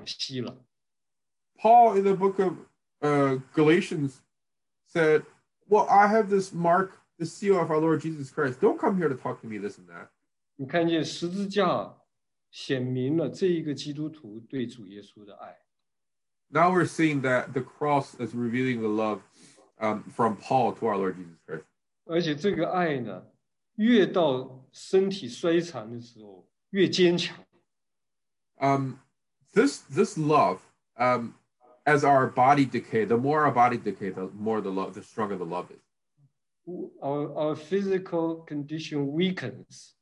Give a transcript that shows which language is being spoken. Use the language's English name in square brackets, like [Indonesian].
[Chinese] 保罗在加拉太书里面讲，我身上带着耶稣基督的印记，请你们不要再来跟我讲东讲西了。Paul [English] in the book of Galatians said, well, I have this mark, the seal of our Lord Jesus Christ. Don't come here to talk to me this and that. [Chinese] 你看见十字架。显明了这一个基督徒对主耶稣的爱。 [English] Now we're seeing that the cross is revealing the love from Paul to our Lord Jesus Christ. [Chinese] 而且这个爱呢, 越到身体衰残的时候, 越坚强。 [English] This love, as our body decay, the more our body decay, the more the love, the stronger the love is. Our physical condition weakens.